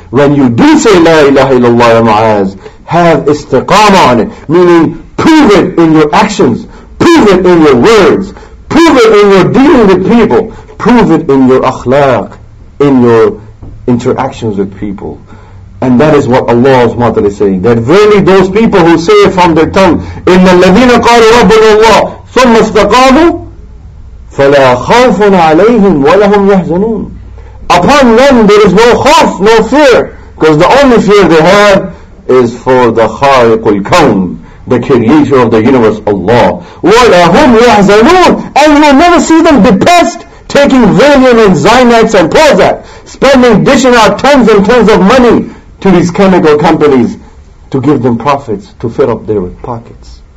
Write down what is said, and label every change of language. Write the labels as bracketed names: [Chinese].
[English] When you do say La ilaha illallah ya Mu'adh, have istiqama on it. Meaning, prove it in your actions. Prove it in your words. Prove it in your dealing with people. Prove it in your akhlaq, in your interactions with people. And that is what Allah SWT is saying. That really those people who say it from their tongue, [Arabic] إِنَّ الَّذِينَ قَالُوا رَبُّنَ اللَّهِ ثُمَّ اسْتَقَامُوا فَلَا خَوْفٌ عَلَيْهِمْ وَلَهُمْ يَحْزَنُونَ. [English] Upon them there is no khawf, no fear. Because the only fear they have is for the khaliqul kawn, the creator of the universe, Allah. [Arabic] وَلَهُمْ يَحْزَنُونَ. [English] And you will never see them depressed, taking Valium and Xanax and Prozac, spending, dishing out tens and tens of money to these chemical companies to give them profits, to fill up their pockets.